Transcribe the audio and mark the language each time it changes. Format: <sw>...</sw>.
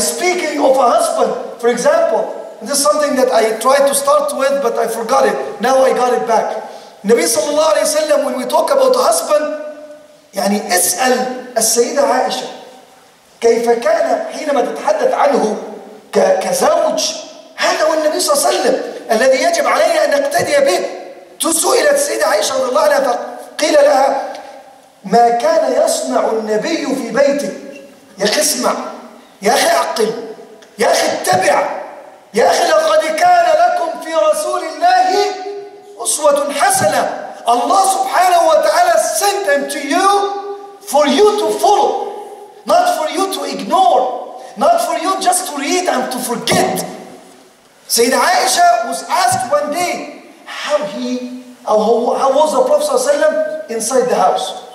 <en>Speaking of a husband, for example, and this is something that I tried to start with, but I forgot it. Now I got it back.</en> <ar>Nabi صلى الله عليه وسلم,</ar> <en>when we talk about a husband,</en> <ar>اسأل السيدة عائشة كيف كان حينما تتحدث عنه كزوج. هذا هو النبي صلى الله عليه وسلم الذي يجب علينا أن نقتدي به. سئلت سيدة عائشة رضي الله عنها فقيل لها ما كان يصنع النبي في بيته؟ يا أخي اسمع، يا أخي عقل، يا أخي اتبع، يا أخي لقد كان لكم في رسول الله أسوة حسنة.</ar> <en>الله سبحانه وتعالى sent them to you for you to follow, not for you to ignore, not for you just to read and to forget. سيدة عائشة was asked one day how he or how was the Prophet صلى الله عليه وسلم inside the house.</en>